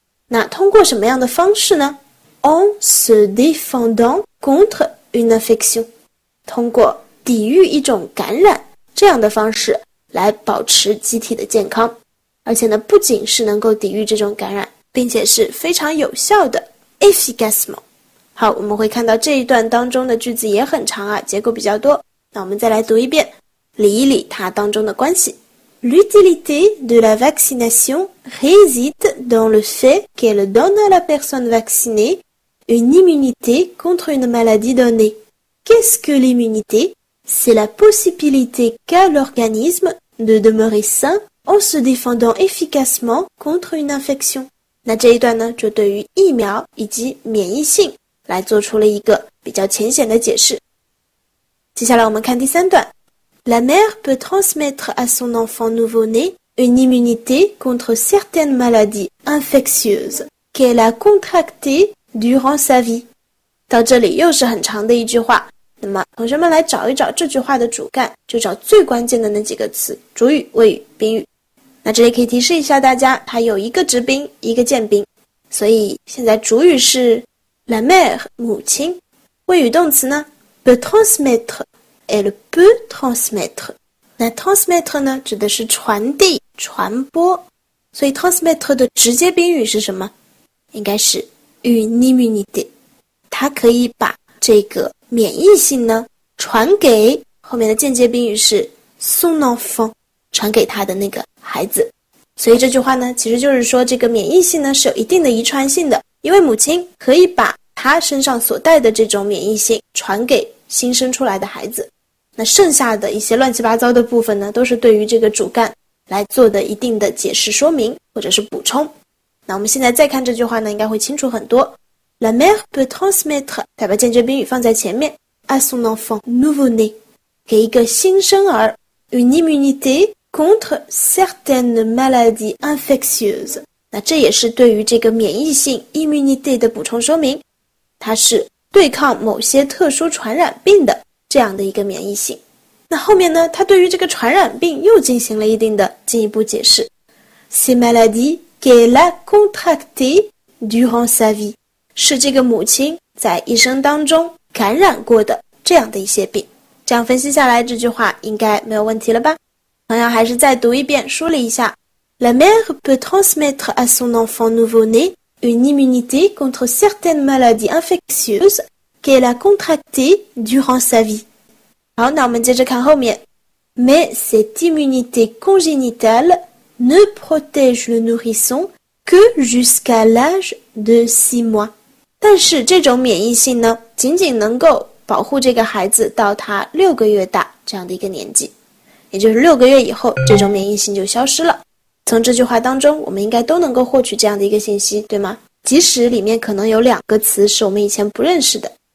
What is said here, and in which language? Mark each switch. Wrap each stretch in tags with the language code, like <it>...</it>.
<zh>那通过什么样的方式呢？</zh> <fr>En se défendant contre une infection，</fr> <zh>通过抵御一种感染这样的方式来保持机体的健康，而且呢不仅是能够抵御这种感染，并且是非常有效的 efficacement。好，我们会看到这一段当中的句子也很长啊，结构比较多，那我们再来读一遍，理一理它当中的关系。</zh> <fr>L'utilité de la vaccination réside dans le fait qu'elle donne à la personne vaccinée une immunité contre une maladie donnée. Qu'est-ce que l'immunité? C'est la possibilité qu'a l'organisme de demeurer sain en se défendant efficacement contre une infection.</fr> <zh>那这一段呢，就对于疫苗以及免疫性来做出了一个比较浅显的解释。接下来我们看第三段。</zh> <fr>La mère peut transmettre à son enfant nouveau-né une immunité contre certaines maladies infectieuses qu'elle a contractées durant sa vie.</fr> <zh>到这里又是很长的一句话，那么同学们来找一找这句话的主干，就找最关键的那几个词，主语、谓语、宾语。那这里可以提示一下大家，它有一个直宾，一个间宾，所以现在主语是 la mère 母亲，谓语动词呢</zh> <fr>peut transmettre。 Elle peut transmettre.</fr> <zh>那 transmettre 呢指的是传递传播，所以 transmettre 的直接宾语是什么？应该是</zh> <fr>une immunité，</fr> <zh>它可以把这个免疫性呢传给，后面的间接宾语是</zh> <fr>son enfant，</fr> <zh>传给他的那个孩子。所以这句话呢其实就是说这个免疫性呢是有一定的遗传性的，因为母亲可以把她身上所带的这种免疫性传给新生出来的孩子。那剩下的一些乱七八糟的部分呢，都是对于这个主干来做的一定的解释说明或者是补充。那我们现在再看这句话呢，应该会清楚很多。</zh> <fr>La mère peut transmettre，</fr> <zh>把间接宾语放在前面</zh> <fr>，à son enfant nouveau-né，</fr> <zh>给一个新生儿</zh> <fr>une immunité contre certaines maladies infectieuses。</fr> <zh>那这也是对于这个免疫性 immunité 的补充说明，它是对抗某些特殊传染病的。这样的一个免疫性。那后面呢，他对于这个传染病又进行了一定的进一步解释。</zh> <fr>Ces maladies qu'elle a contractées durant sa vie，</fr> <zh>是这个母亲在一生当中感染过的这样的一些病。这样分析下来，这句话应该没有问题了吧？同样还是再读一遍，梳理一下。</zh> <fr>La mère peut transmettre à son enfant nouveau-né une immunité contre certaines maladies infectieuses。 qu'elle a contracté durant sa vie.</fr> <zh>好，那我们接着看后面。</zh> <fr>Mais cette immunité congénitale ne protège le nourrisson que jusqu'à l'âge de 6 mois.</fr> <zh>但是这种免疫性呢，仅仅能够保护这个孩子到他六个月大这样的一个年纪，也就是六个月以后，这种免疫性就消失了。从这句话当中，我们应该都能够获取这样的一个信息，对吗？即使里面可能有两个词是我们以前不认识的。</zh>